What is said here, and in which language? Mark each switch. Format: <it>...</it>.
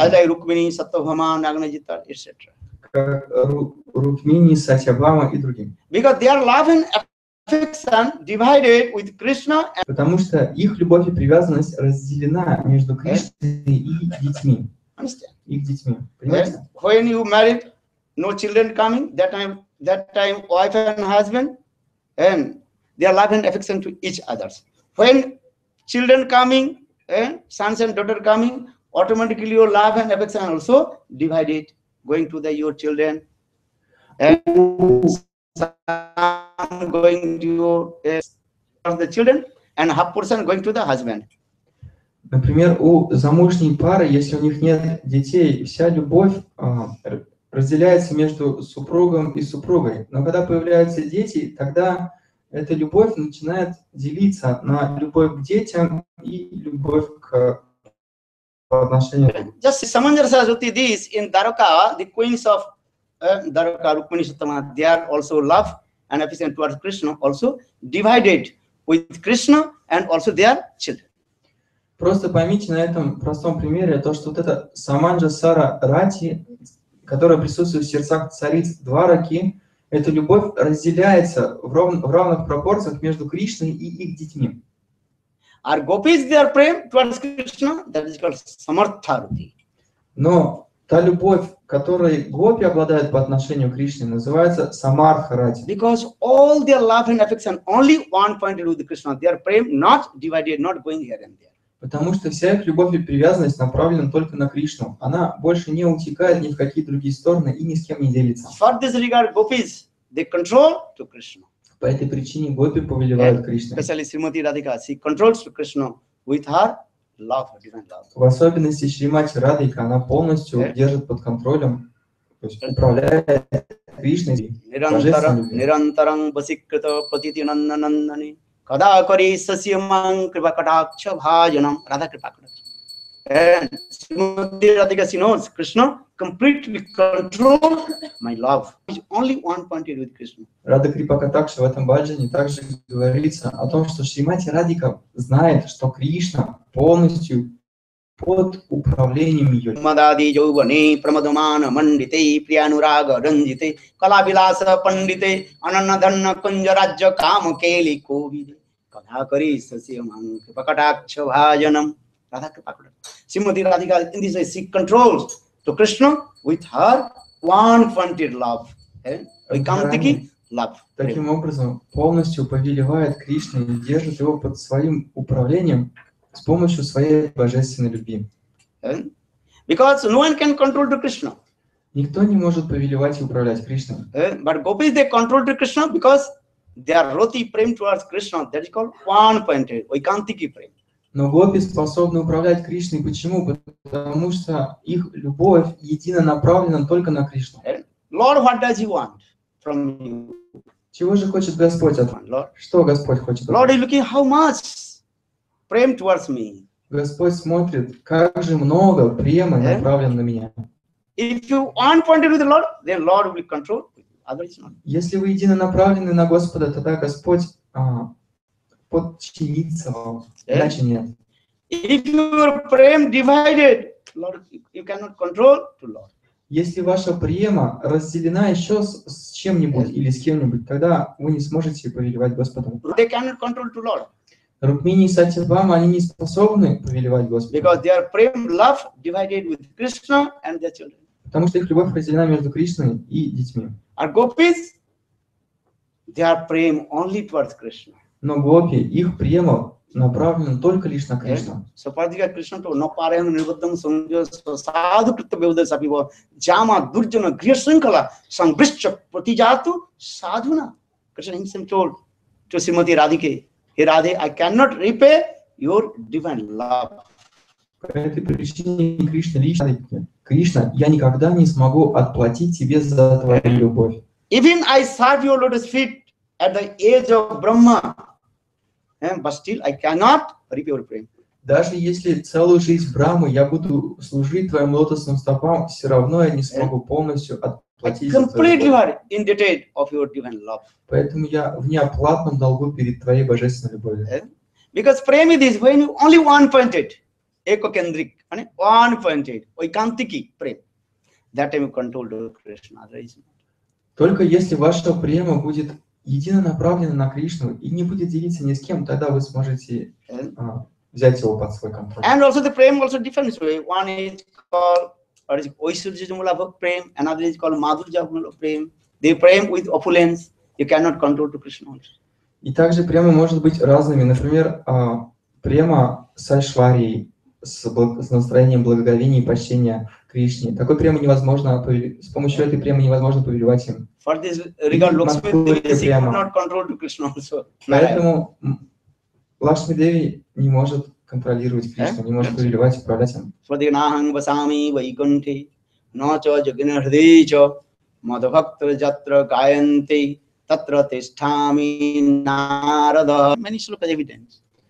<ru>Адай Рукмини, Саттабхама, Нагнаджита, etc. Как Рукмини, Сатьябхама и другим.</ru> <en>Because they are loving affection divided with Krishna.</en> <ru>Потому что их любовь и привязанность разделена между Кришной и детьми. Их детьми. Понимаете?</ru> <en>When you married, no children coming. That time wife and husband, and they are love and affection to each other. When children coming, and sons and daughter coming, automatically your love and affection also divided, going to the your children. And I'm going to the children and half person going to the husband.</en> <ru>Например, у замужней пары, если у них нет детей, вся любовь разделяется между супругом и супругой. Но когда появляются дети, тогда эта любовь начинает делиться на любовь к детям и любовь к по отношению.</ru> <en>Just samanjasa roti this in Daraka, the queens of Daraka Rukmini Sattama, they are also love and affection towards Krishna, also divided with Krishna and also their children.</en> <ru>Просто поймите на этом простом примере то, что вот это саманджасара рати, которая присутствует в сердцах цариц Двараки, эта любовь разделяется в равных пропорциях между Кришной и их детьми.</ru> <en>Our gopis, their prem towards Krishna, that is called samartha ruti.</en> <ru>Но та любовь, которой гопи обладают по отношению к Кришне, называется самартха рати.</ru> <en>Because all their love and affection only one pointed with Krishna, their prem not divided, not going here and there.</en> <ru>Потому что вся их любовь и привязанность направлена только на Кришну. Она больше не утекает ни в какие другие стороны и ни с кем не делится.</ru> <en>For this regard, gopis, they control to Krishna.</en> <ru>По этой причине гопи повелевают Кришне.</ru> <en>Especially Srimati Radhika, she controls to Krishna with her love, divine love.</en> <ru>В особенности Шримати Радхика, она полностью держит под контролем, то есть управляет Кришной.</ru> <sa>Нирантарам васикрита патити наннанандани. Kadakari sasyamam kripakataksha bhajanam radha kripakataksha.</sa> <en>And Srimati Radhika, she knows Krishna completely control my love. He's only one pointed with Krishna.</en> <ru>Radha kripakataksha в этом баджане также говорится о том, что Шримати Радика знает, что Кришна полностью под управлением ее.</ru> <sa>Мадади йогане прамадамана мандите прианурага ранжите калабиласа пандите ананадханна кунжараджа кама кели ковиде. Kadakari sasyamam kripakataksha bhajanam radha kripakataksha.</sa> <en>Srimati Radhika, in this way, she controls to Krishna with her one-pointed love. Eh? Vikantiki love.</en> <ru>Таким образом, полностью повелевает Кришна и держит его под своим управлением с помощью своей божественной любви.</ru> <en>Eh? Because no one can control to Krishna.</en> <ru>Никто не может повелевать и управлять Кришной.</ru> <en>But gopis, they control to Krishna because their roti prem towards Krishna, that is called one-pointed, vikantiki prem.</en> <ru>Но гопи способны управлять Кришной. Почему? Потому что их любовь едино направлена только на Кришну.</ru> <en>Lord, what does he want from you?</en> <ru>Чего же хочет Господь от вас? Что Господь хочет от вас?</ru> <en>Lord, he's looking how much prem towards me.</en> <ru>Господь смотрит, как же много премы направлено на меня.</ru> <en>If you one-pointed with the Lord, then Lord will control. Otherwise not.</en> <ru>Если вы едино направлены на Господа, тогда Господь подчиниться вам, иначе нет.</ru> <en>If your prem divided, Lord, you cannot control to Lord.</en> <ru>Если ваша према разделена еще с чем-нибудь или с кем-нибудь, тогда вы не сможете повелевать Господу.</ru> <en>They cannot control to Lord.</en> <ru>Рукмини и Сатьябхама, они не способны повелевать Господу.</ru> <en>Because their prem love divided with Krishna and their children.</en> <ru>Потому что их любовь разделена между Кришной и детьми.</ru> <en>Our gopis, their prem only towards Krishna.</en> <ru>Но гопи, их према направлена только лишь на Кришну.</ru> <sa>Сопардика Кришна то на парем нирвадам сунджо саду крита бевда сапива джама дурджана грешенкала сангришча пратижату садхуна.</sa> <en>Кришна himself told to Srimati Radhike, hey Radhe, I cannot repay your divine love.</en> <ru>По этой причине Кришна лично, Кришна, я никогда не смогу отплатить тебе за твою любовь.</ru> <en>Even I serve your lotus feet at the age of Brahma, but still I cannot reap your prem.</en> <ru>Даже если целую жизнь Брахму я буду служить твоим лотосным стопам, все равно я не смогу полностью отплатить.</ru> <en>I completely are indebted of your divine love.</en> <ru>Поэтому я в неоплатном долгу перед твоей божественной любовью.</ru> <en>Because prema is when you only one-pointed, ekokendrik, one-pointed, ekantiki prema. That time you control the Krishna.</en> <ru>Только если ваша према будет единонаправлена на Кришну и не будет делиться ни с кем, тогда вы сможете взять его под свой контроль.</ru> <en>And also the prema also different way. One is called Aishwarya-mulabha prema, another is called Madhurya-mulabha prema. They prema with opulence, you cannot control to Krishna also.</en> <ru>И также према может быть разными. Например, према с Айшварией, с настроением благоговения и почтения Кришне. Такой према невозможно, с помощью этой премы невозможно повелевать им.</ru> <en>For this regard, Lakshmi Devi cannot control to Krishna also.</en> <ru>Поэтому Лакшми Деви не может контролировать Кришну, не может повелевать, управлять им.</ru> <sa>Свадинахам васами вайкунти, ноча йогина хридича, мадхавакта джатра гаянти. Tatra tishthami narada.</sa> <en>Many shlokas evidence.</en>